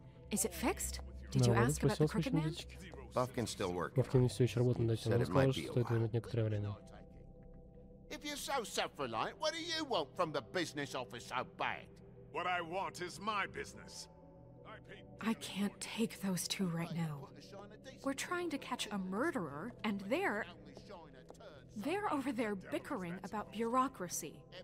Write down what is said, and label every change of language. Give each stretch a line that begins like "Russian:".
English: Is it fixed? Did you ask about the crooked man? Бафкин still working.
Russian: Бафкин все еще работает над этим, но сказал, что стоит вернуть некоторое время.
English: If you're so self-reliant, what do you want from the business office so bad? What I want is my business. I can't take those two right now. We're trying to catch a murderer, and they're over there bickering about bureaucracy.